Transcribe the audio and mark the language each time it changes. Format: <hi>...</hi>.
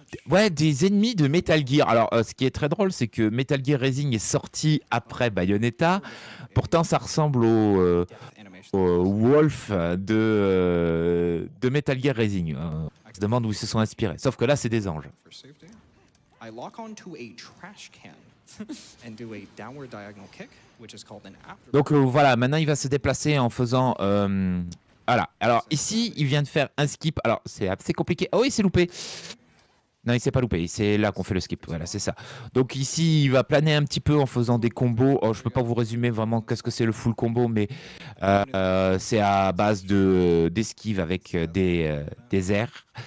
<fr>Ouais, des ennemis de Metal Gear. Alors, ce qui est très drôle, c'est que Metal Gear Rising est sorti après Bayonetta. Pourtant, ça ressemble au, au Wolf de Metal Gear Rising. On se demande où ils se sont inspirés. Sauf que là, c'est des anges.</fr> <en>I lock onto a trash can and do a downward diagonal kick, which is called an afterburner.</en> <fr>Donc voilà, maintenant il va se déplacer en faisant voilà. Alors ici, il vient de faire un skip. Alors c'est assez compliqué. Oh oui, c'est loupé. Non, il s'est pas loupé. C'est là qu'on fait le skip. Voilà, c'est ça. Donc ici, il va planer un petit peu en faisant des combos. Oh, je peux pas vous résumer vraiment qu'est-ce que c'est le full combo, mais c'est à base de d'esquive avec des airs.</fr>